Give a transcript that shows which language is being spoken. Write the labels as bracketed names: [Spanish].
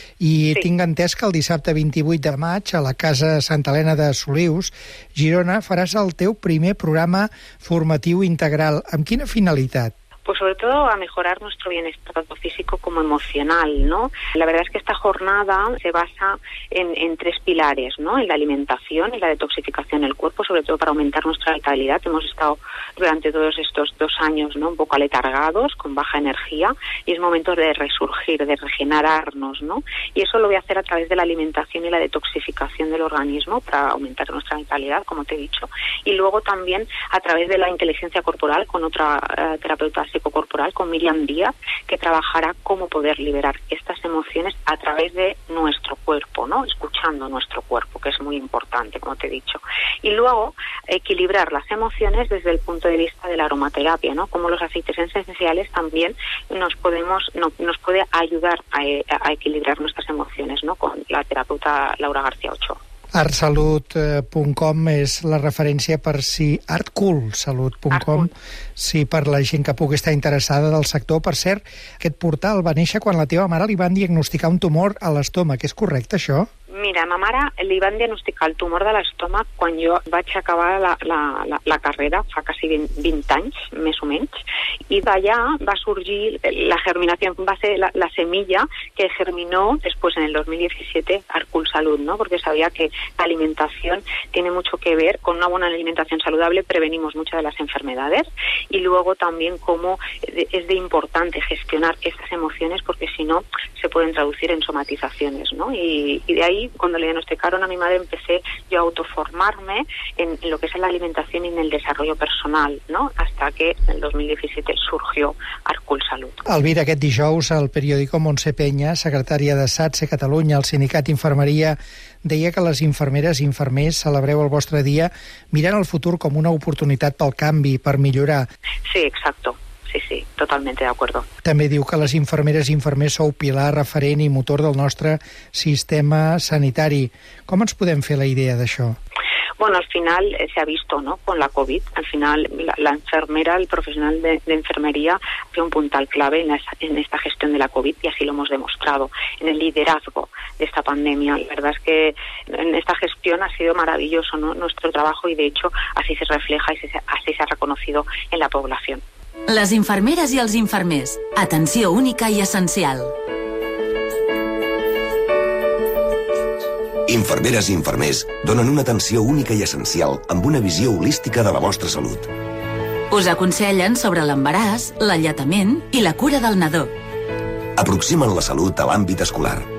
[Catalan] I sí, tinc entès que el dissabte 28 de maig a la Casa Santa Helena de Solius, Girona, faràs el teu primer programa formatiu integral. Amb quina finalitat? [Spanish] Pues sobre todo a mejorar nuestro bienestar tanto físico como emocional, ¿no? La verdad es que esta jornada se basa en tres pilares, ¿no? En la alimentación, en la detoxificación del cuerpo, sobre todo para aumentar nuestra vitalidad. Hemos estado durante todos estos dos años, ¿no?, un poco aletargados, con baja energía, y es momento de resurgir, de regenerarnos, ¿no? Y eso lo voy a hacer a través de la alimentación y la detoxificación del organismo para aumentar nuestra vitalidad, como te he dicho. Y luego también a través de la inteligencia corporal con otra terapeuta psicocorporal, con Miriam Díaz, que trabajará cómo poder liberar estas emociones a través de nuestro cuerpo, ¿no?, escuchando nuestro cuerpo, que es muy importante, como te he dicho. Y luego, equilibrar las emociones desde el punto de vista de la aromaterapia, ¿no?, cómo los aceites esenciales también nos puede ayudar a equilibrar nuestras emociones, ¿no?, con la terapeuta Laura García Ochoa. [Catalan] Artsalut.com és la referència per si... Artcoolsalut.com, sí, per la gent que pugui estar interessada del sector. Per cert, aquest portal va néixer quan la teva mare li van diagnosticar un tumor a l'estómac. És correcte, això? Mira, a ma mare li van diagnosticar el tumor de l'estómac quan jo vaig acabar la carrera, fa quasi 20 anys, més o menys, i d'allà va sorgir la germinació, va ser [Spanish] la semilla que germinó després en el 2017 Arcul Salut, ¿no? Porque sabía que la alimentación tiene mucho que ver con una buena alimentación saludable, prevenimos muchas de las enfermedades, y luego también cómo es de importante gestionar estas emociones, porque si no se pueden traducir en somatizaciones, ¿no? Y de ahí, cuando le diagnosticaron a mi madre, empecé yo a autoformarme en lo que es la alimentación y en el desarrollo personal, ¿no? Hasta que en el 2017 surgió Arcul Salut. [Catalan] Elvira, aquest dijous, el periòdico Montse Peña, secretària de SATSE Catalunya, el sindicat Infermeria, deia que les infermeres i infermers celebreu el vostre dia mirant el futur com una oportunitat pel canvi, per millorar. [Spanish] Sí, exacto. sí, totalmente de acuerdo. [Catalan] També diu que les infermeres i infermers sou pilar, referent i motor del nostre sistema sanitari. Com ens podem fer la idea d'això? [Spanish] Bueno, al final se ha visto, ¿no?, con la COVID. Al final la enfermera, el profesional de enfermería, fue un puntal clave en esta gestión de la COVID, y así lo hemos demostrado en el liderazgo de esta pandemia. La verdad es que en esta gestión ha sido maravilloso, ¿no?, nuestro trabajo, y de hecho así se refleja y así se ha reconocido en la población. [Catalan] Les infermeres i els infermers. Atenció única i essencial. Infermeres i infermers donen una atenció única i essencial amb una visió holística de la vostra salut. Us aconsellen sobre l'embaràs, l'alletament i la cura del nadó. Aproximen la salut a l'àmbit escolar.